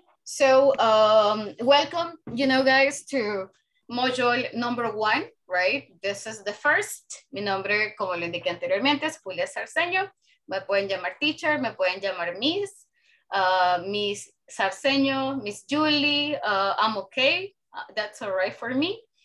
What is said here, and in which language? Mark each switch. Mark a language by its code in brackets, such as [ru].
[en] So, welcome, you know, guys, to module number one, right? This is the first. [es] Mi nombre, como lo indiqué anteriormente, es Julia Sarceño. Me pueden llamar teacher, me pueden llamar miss. [en] Miss Sarceño, Miss Julie, I'm okay, that's all right for me.